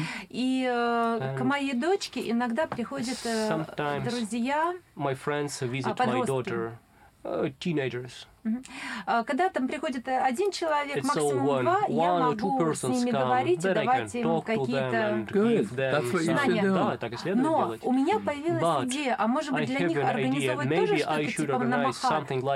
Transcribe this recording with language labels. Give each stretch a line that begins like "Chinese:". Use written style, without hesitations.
Russian: И к моей дочке иногда приходят друзья.
English: My friends visit my daughter. Teenagers.
Russian: Когда там приходит один человек, максимум два, я могу с ними говорить и давать им какие-то знания. Но у меня появилась идея, а может быть для них организовать тоже что-то типа намахата.